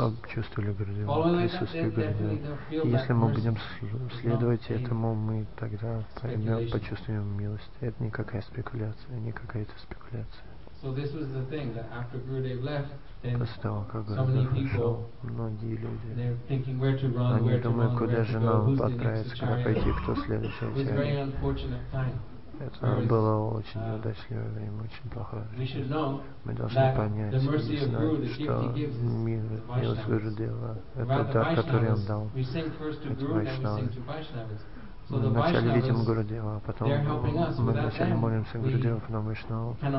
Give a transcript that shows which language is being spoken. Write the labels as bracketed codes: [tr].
[ru] Чувствовали Гурудева, присутствие Гурудева. Если мы будем следовать этому, мы тогда почувствуем милость. Это не какая-то спекуляция. [en] So this was the thing that after Gurudev left, then so many people, they're thinking where to run, who's the next Acharya, it was a very unfortunate time. [ru] Это было очень неудачное время, очень плохое. Мы должны понять, мы знаем, что милость Гурудева – это дар, который он дал. Это Вайшнавы. Мы вначале видим Гурудева, а потом мы вначале молимся Гурудеву, потом Вайшнаву.